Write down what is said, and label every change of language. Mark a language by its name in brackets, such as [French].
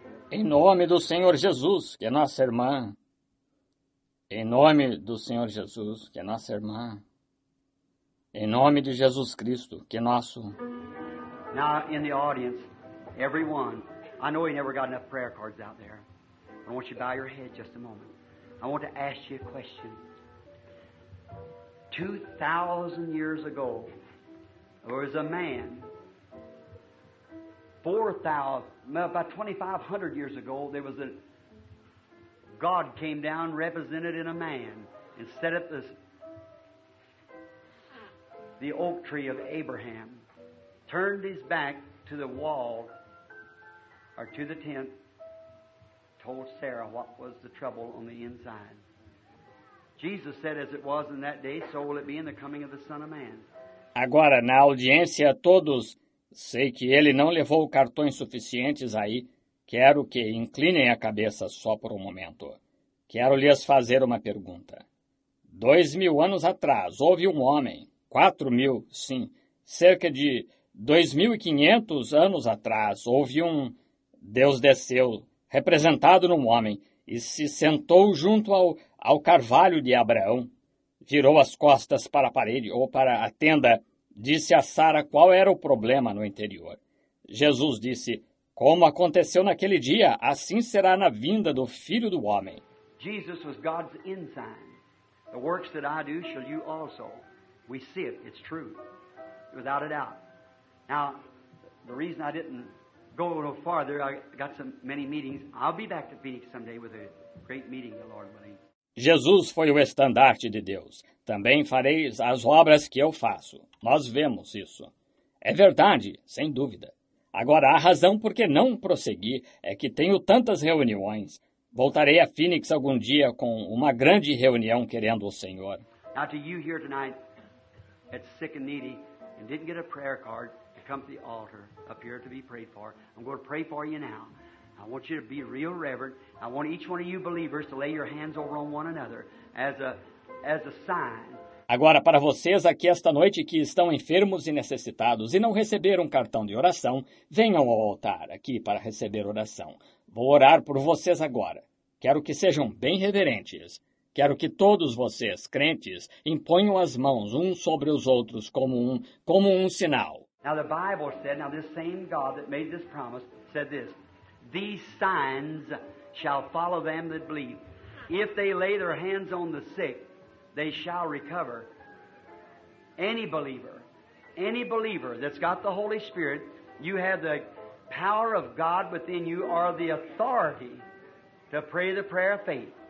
[Portuguese] Em nome do Senhor Jesus, que é nossa irmã. Em nome do Senhor Jesus, que é nossa irmã. Em nome de Jesus Cristo, que é nosso. [English] Now in the audience, everyone, I know you never got enough prayer cards out there. I want you to bow your head just a moment. I want to ask you a question. 2,000 years ago, there was a man. 4,000, about 2,500 years ago, there was a God came down represented in a man and set up the oak tree of Abraham, turned his back to the wall or to the tent, told Sarah what was the trouble on the inside. Jesus said, as it was in that day, so will it be in the coming of the Son of Man. [Portuguese] Agora, na audiência, todos. Sei que ele não levou cartões suficientes aí. Quero que inclinem a cabeça só por um momento. Quero lhes fazer uma pergunta. 2,000 anos atrás, houve um homem. 4,000, sim. Cerca de 2,500 anos atrás, houve um... Deus desceu, representado num homem, e se sentou junto ao carvalho de Abraão. Virou as costas para a parede ou para a tenda. Disse a Sara qual era o problema no interior. Jesus disse, como aconteceu naquele dia, assim será na vinda do Filho do Homem. [English] Jesus was God's ensign. The works that I do shall you also. We see it, it's true. Without a doubt. Now, the reason I didn't go a little farther, I got so many meetings. I'll be back to Phoenix someday with a great meeting, the Lord willing. [Portuguese] Jesus foi o estandarte de Deus. Também fareis as obras que eu faço. Nós vemos isso. É verdade, sem dúvida. Agora, a razão por que não prossegui é que tenho tantas reuniões. Voltarei a Phoenix algum dia com uma grande reunião querendo o Senhor. [English] Now to you here tonight, that's sick and needy, and didn't get a prayer card to come to the altar up here to be prayed for. I'm going to pray for you now. I want you to be real reverent. I want each one of you believers to lay your hands over on one another as a sign. [Portuguese] Agora, para vocês aqui esta noite que estão enfermos e necessitados e não receberam cartão de oração, venham ao altar aqui para receber oração. Vou orar por vocês agora. Quero que sejam bem reverentes. Quero que todos vocês, crentes, imponham as mãos uns sobre os outros como um sinal. [English] Now the Bible said, now this same God that made this promise said this, these signs shall follow them that believe. If they lay their hands on the sick, they shall recover. Any believer that's got the Holy Spirit, you have the power of God within you or the authority to pray the prayer of faith.